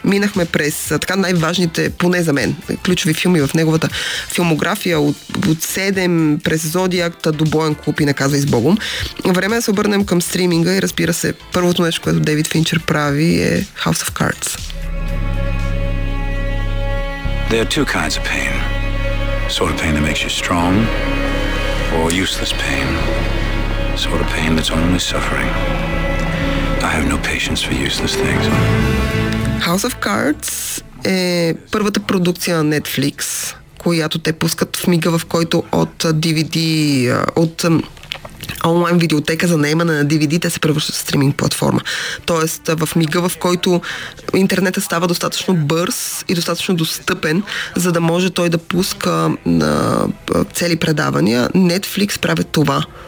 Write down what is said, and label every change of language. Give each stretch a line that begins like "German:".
Bulgarian: Минахме през така най-важните, поне за мен, ключови филми в неговата филмография, от 7 през Зодиакта до Боен Клуб и Наказва и с Богом. Време да се обърнем към стриминга и разбира се, първото нещо, което Дейвид Финчер прави е House of Cards.
English: There are two kinds of pain. Sort of pain that makes you strong, or useless pain. Sort of pain that's only suffering. I have no patience for useless things.
Bulgarian: House of Cards е първата продукция на Netflix, която те пускат в мига, в който от DVD, от онлайн видеотека за наемане на DVD, те се превръщат в стриминг платформа. Тоест, в мига, в който интернетът става достатъчно бърз и достатъчно достъпен, за да може той да пуска на цели предавания, Netflix правят това.